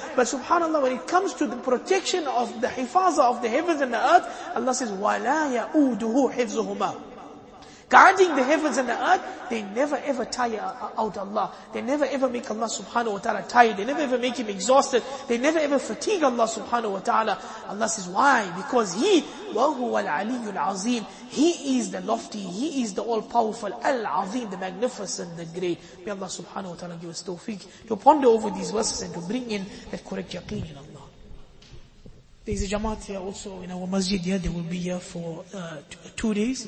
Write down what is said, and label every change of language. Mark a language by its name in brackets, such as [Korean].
[English] But subhanAllah, when it comes to the protection of the hifaza of the heavens and the earth, Allah says, [Arabic] وَلَا يَعُودُهُ حِفْزُهُمَا. [English] Guarding the heavens and the earth, they never ever tire out Allah. They never ever make Allah subhanahu wa ta'ala tired. They never ever make Him exhausted. They never ever fatigue Allah subhanahu wa ta'ala. Allah says, why? Because He, [Arabic] وَهُوَ الْعَلِيُّ الْعَظِيمُ. [English] He is the lofty, He is the all-powerful, Al-Azim, the magnificent, the great. May Allah subhanahu wa ta'ala give us tawfiq to ponder over these verses and to bring in that correct yaqeen in Allah. There is a jamaat here also in our masjid here. They will be here for 2 days.